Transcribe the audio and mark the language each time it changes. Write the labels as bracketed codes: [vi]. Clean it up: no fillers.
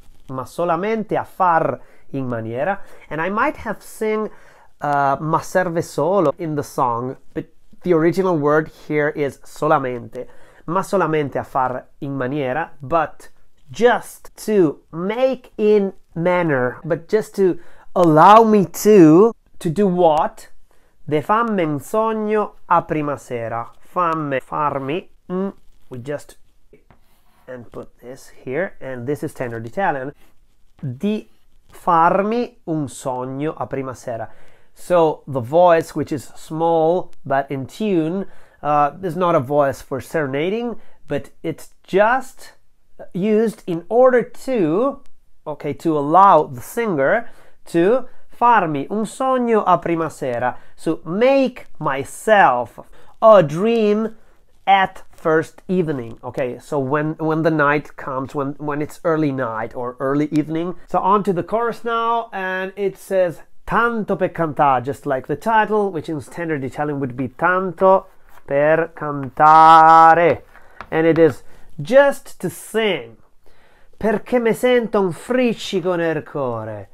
[it] Ma solamente a far in maniera. [en] And I might have sing [it] ma serve solo [en] in the song, but the original word here is [it] solamente. Ma solamente a far in maniera, [en] but just to make in manner, but just to allow me to do what? [it] De famme un sogno a prima sera. Famme, farmi. [en] We just and put this here, and this is standard Italian. [it] Di farmi un sogno a prima sera. [en] So the voice, which is small but in tune, is not a voice for serenading, but it's just used in order to allow the singer to [it] farmi un sogno a prima sera. [en] So make myself a dream at first evening. Okay, so when the night comes, when it's early night or early evening. So on to the chorus now, and it says [it] tanto per cantare, [en] just like the title, which in standard Italian would be tanto per cantare, and it is just to sing. [it] Perché mi sento un friccico nel cuore.